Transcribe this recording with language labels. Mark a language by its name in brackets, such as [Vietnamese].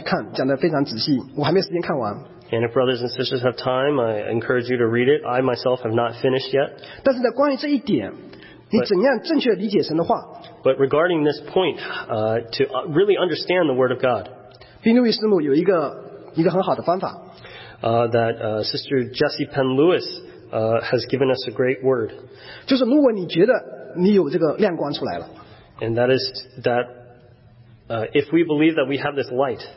[Chinese] 当然，这如果大家有时间的话，建议大家去看，讲的非常仔细。我还没有时间看完。 [English] And if brothers and sisters have time, I encourage you to read it. I myself have not finished yet. [Chinese] 但是呢，关于这一点，你怎样正确理解神的话？ [English] But regarding this point, to really understand the Word of God, [Chinese] 宾路易师母有一个很好的方法。 [English] Sister Jessie Penn Lewis has given us a great word. [Chinese] 就是如果你觉得你有这个亮光出来了。 [English] And that is that if we believe that we have this light,